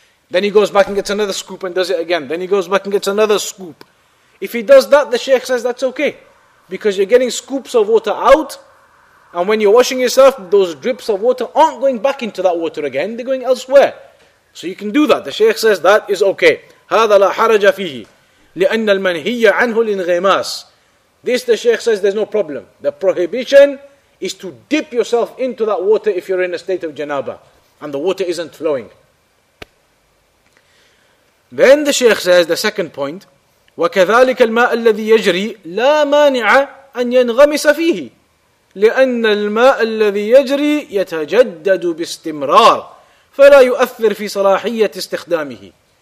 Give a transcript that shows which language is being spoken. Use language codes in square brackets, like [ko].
[en] Then he goes back and gets another scoop and does it again. Then he goes back and gets another scoop. If he does that, the Shaykh says that's okay. Because you're getting scoops of water out, and when you're washing yourself, those drips of water aren't going back into that water again. They're going elsewhere. So you can do that. The Shaykh says that is okay. [ar] هذا لا حرج فيه لأن المنهي عنه للغماس. [en] This, the Shaykh says, there's no problem. The prohibition is to dip yourself into that water if you're in a state of janabah and the water isn't flowing. Then the Shaykh says, the second point, [ar] وَكَذَلِكَ الْمَاءَ الَّذِي يَجْرِي لَا مَانِعَ أَنْ يَنْغَمِسَ فِيهِ لِأَنَّ الْمَاءَ الَّذِي يَجْرِي يَتَجَدَّدُ بِاسْتِمْرَارِ فَلَا يُؤَثِّرْ فِي صَلَاحِيَّةِ اسْتِخْدَامِهِ.